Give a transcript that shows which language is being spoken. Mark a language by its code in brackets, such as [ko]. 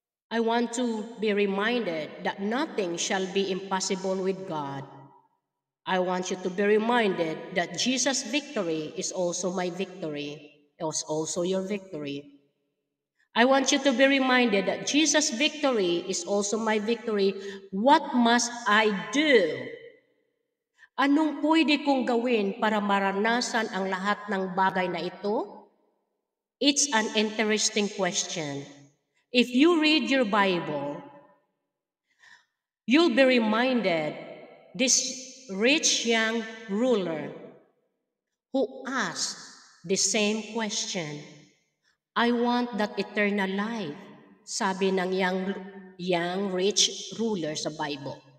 [en] I want to be reminded that nothing shall be impossible with God. I want you to be reminded that Jesus' victory is also my victory. It was also your victory. I want you to be reminded that Jesus' victory is also my victory. What must I do? [tl] Anong pwede kong gawin para maranasan ang lahat ng bagay na ito? [en] It's an interesting question. If you read your Bible, you'll be reminded this rich young ruler who asked the same question. I want that eternal life, [tl] sabi ng [en] young rich ruler sa Bible.